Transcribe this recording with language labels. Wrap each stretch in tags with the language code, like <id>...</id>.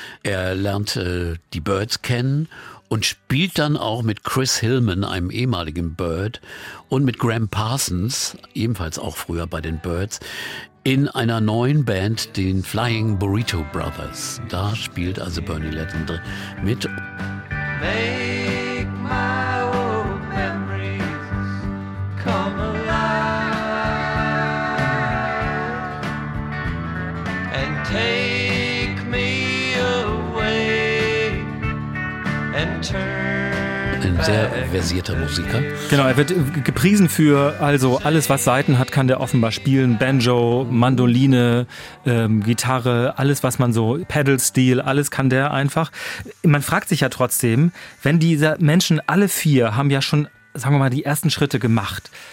<de>Er lernt die Birds kennen und spielt dann auch mit Chris Hillman, einem ehemaligen Bird, und mit Graham Parsons, ebenfalls auch früher bei den Birds, in einer neuen Band, den Flying Burrito Brothers. Da spielt also Bernie Ledden mit.</de> <en>Make my old memories come alive and take me away and turn.</en> <de>Ein sehr versierter Musiker. Genau, er wird gepriesen für also alles, was Saiten hat, kann der offenbar spielen. Banjo, Mandoline, Gitarre, alles, was man so, Pedal-Steel, alles kann der einfach. Man fragt sich ja trotzdem, wenn diese Menschen, alle 4, haben ja schon, sagen wir mal, die ersten Schritte gemacht.</de>